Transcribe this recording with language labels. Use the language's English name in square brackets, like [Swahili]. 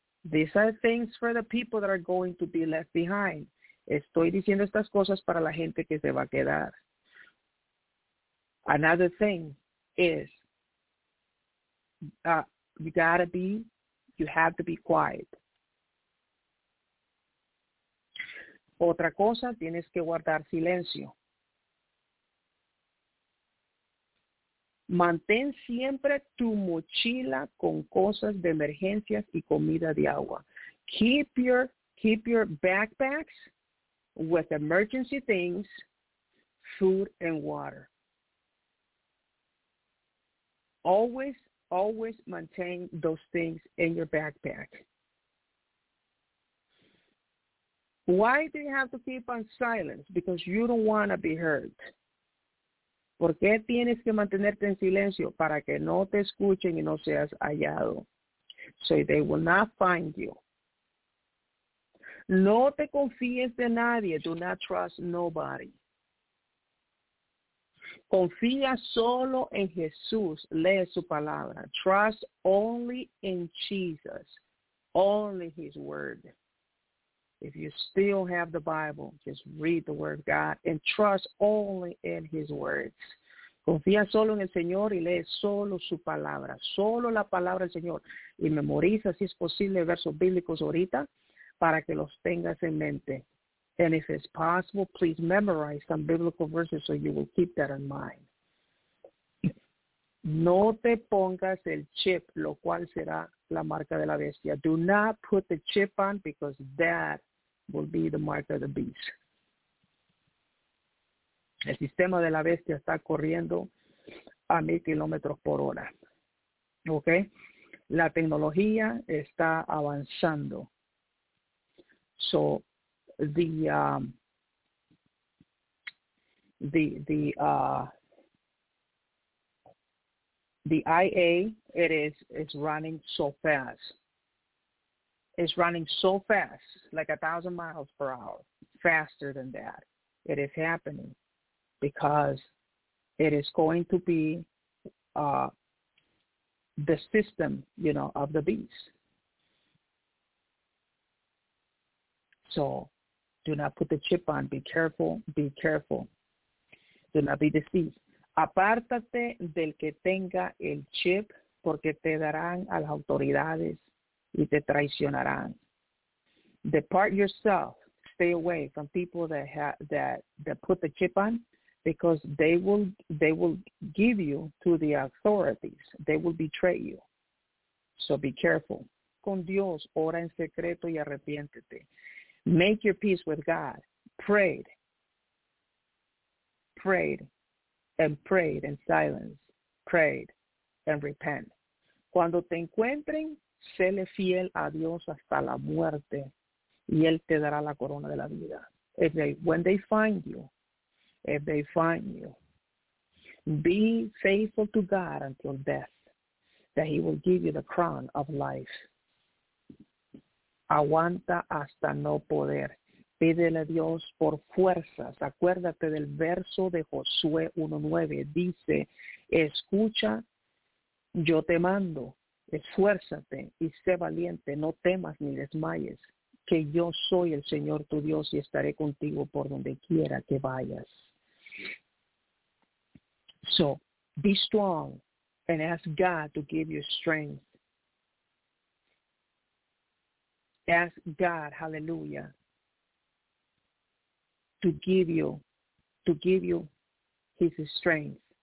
[English] These are things for the people that are going to be left behind. [Spanish] Estoy diciendo estas cosas para la gente que se va a quedar. [English] Another thing is, you have to be quiet. [Spanish] Otra cosa, tienes que guardar silencio. Mantén siempre tu mochila con cosas de emergencias y comida de agua. [English] Keep your backpacks with emergency things, food and water. always, always maintain those things in your backpack. Why do you have to keep on silence? Because you don't want to be heard. [Spanish] ¿Por qué tienes que mantenerte en silencio? Para que no te escuchen y no seas hallado. [English] So they will not find you. [Spanish] No te confíes de nadie. [English] Do not trust nobody. [Spanish] Confía solo en Jesús. Lee su palabra. [English] Trust only in Jesus. Only his word. If you still have the Bible, just read the word of God and trust only in his words. [Spanish] Confía solo en el Señor y lee solo su palabra. Solo la palabra del Señor. Y memoriza, si es posible, versos bíblicos ahorita para que los tengas en mente. [English] And if it's possible, please memorize some biblical verses so you will keep that in mind. [Spanish] No te pongas el chip, lo cual será la marca de la bestia. [English] Do not put the chip on because that will be the mark of the beast. [Spanish] El sistema de la bestia está corriendo a 1,000 kilómetros por hora. ¿Ok? La tecnología está avanzando. [English] So, the IA, it's running so fast. It's running so fast, like 1,000 miles per hour, faster than that. It is happening because it is going to be the system, you know, of the beast. So do not put the chip on. Be careful, be careful. Do not be deceived. [Spanish] Apártate del que tenga el chip, porque te darán a las autoridades y te traicionarán. [English] Depart yourself. Stay away from people that put the chip on, because they will give you to the authorities. They will betray you. So be careful. [Spanish] Con Dios, ora en secreto y arrepiéntete. [English] Make your peace with God. Prayed in silence. Prayed and repent. [Spanish] Cuando te encuentren, séle fiel a Dios hasta la muerte y Él te dará la corona de la vida. [English] If they find you, be faithful to God until death, that he will give you the crown of life. [Spanish] Aguanta hasta no poder. Pídele a Dios por fuerzas. Acuérdate del verso de Josué 1:9. Dice, escucha, yo te mando. Esfuérzate y sé valiente. No temas ni desmayes, que yo soy el Señor tu Dios y estaré contigo por donde quiera que vayas. [English] So, be strong and ask God to give you strength. Ask God, hallelujah, to give you his strength.